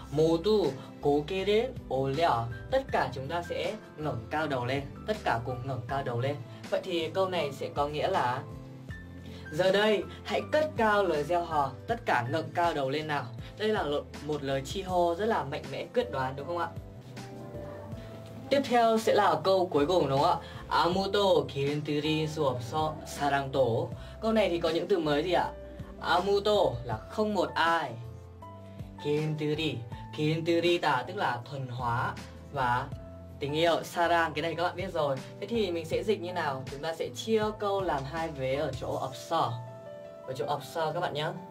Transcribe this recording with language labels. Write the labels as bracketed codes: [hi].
[ko] 모두 고개를 올려, [vi] tất cả chúng ta sẽ ngẩng cao đầu lên, tất cả cùng ngẩng cao đầu lên. Vậy thì câu này sẽ có nghĩa là giờ đây hãy cất cao lời reo hò, tất cả ngẩng cao đầu lên nào. Đây là một lời chi hô rất là mạnh mẽ, quyết đoán, đúng không ạ? Tiếp theo sẽ là câu cuối cùng, đúng không ạ? [ko] 아무도 길 들인 수 없어 사랑도. [vi] Câu này thì có những từ mới gì ạ? 아무도 là không một ai, 길 들이, [ko] 길 들이다 [vi] tức là thuần hóa, và tình yêu, 사랑, cái này các bạn biết rồi. Thế thì mình sẽ dịch như nào? Chúng ta sẽ chia câu làm hai vế ở chỗ 없어, ở chỗ 없어 các bạn nhé.